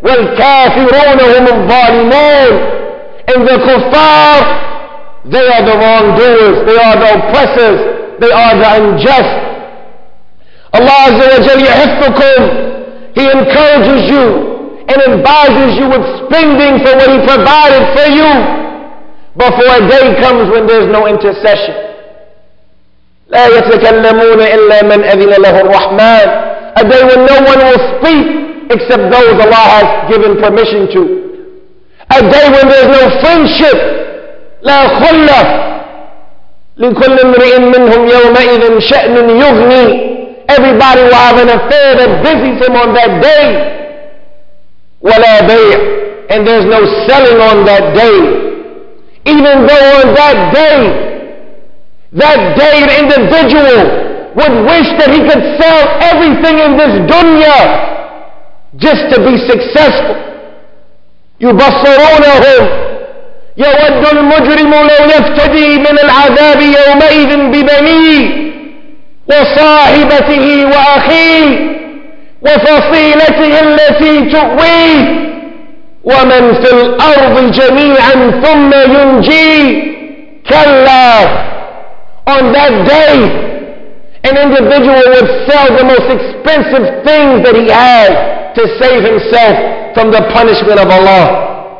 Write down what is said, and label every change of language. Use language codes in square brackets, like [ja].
[ar] وَالْكَافِرُونَ هُمُ الظَّالِمُونَ, [en] and the kuffar, they are the wrongdoers, they are the oppressors, they are the unjust. Allah Azza wa Jalla yuhiffukum, He encourages you, and embarrasses you with spending for what he provided for you before a day comes when there's no intercession. [ar] لا يتكلمون إلا من أذن له الرحمن. [en] A day when no one will speak except those Allah has given permission to. A day when there's no friendship. [ar] لا خلة لكل امرئ منهم يومئذ شأن يغني. [en] Everybody will have an affair that busies him on that day. [ar] ولا بيع. [en] And there's no selling on that day. Even though on that day an individual would wish that he could sell everything in this dunya just to be successful. [ar] يبصرونهم يود المجرم لو يفتدي من العذاب يومئذ ببنيه وصاحبته وأخيه وفصيلته التي تؤويه ومن في الأرض جميعا ثم ينجيه كلا. [en] On that day, an individual would sell the most expensive things that he had to save himself from the punishment of Allah.